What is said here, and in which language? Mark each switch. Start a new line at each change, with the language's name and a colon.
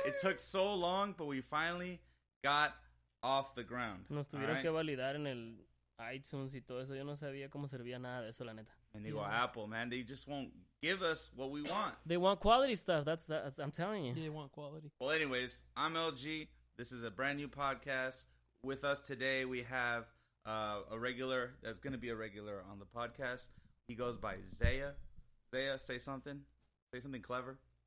English: It took so long, but we finally got off the ground.
Spanish: Nos tuvieron
English: right?
Spanish: que validar en el iTunes y todo eso. Yo no sabía cómo servía nada de eso, la neta.
English: And they go, Apple, man. They just won't give us what we want. They want quality stuff. That's I'm telling you. Yeah, they want quality. Well, anyways, I'm LG. This is a brand new podcast. With us today, we have a regular that's going to be a regular on the podcast. He goes by Zaya. Zaya, say something. Say something clever.